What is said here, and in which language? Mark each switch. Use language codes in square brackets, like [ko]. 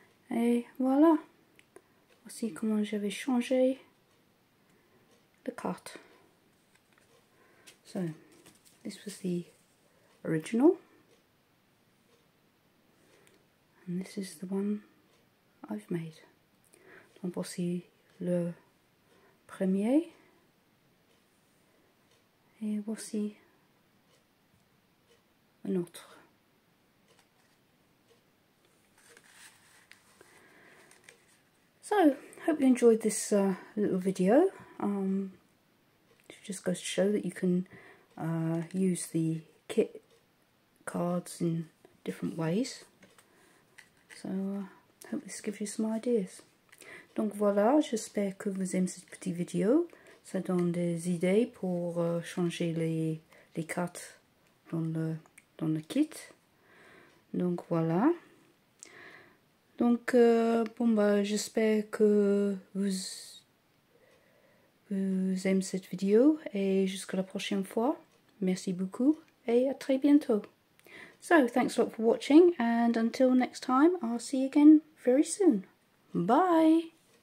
[fr] Et voilà, voici comment je vais changer la carte. [en] So, this was the original, and this is the one I've made. [fr] Donc voici le premier, et voici un autre. [en] So, hope you enjoyed this little video. It just goes to show that you can use the kit cards in different ways. So, hope this gives you some ideas. [fr] Donc voilà, j'espère que vous aimez cette petite vidéo. Ça donne des idées pour changer les cartes dans le kit. Donc voilà. Donc, j'espère que vous aimez cette vidéo et jusqu'à la prochaine fois. Merci beaucoup et à très bientôt. [en] So, thanks a lot for watching and until next time, I'll see you again very soon. Bye!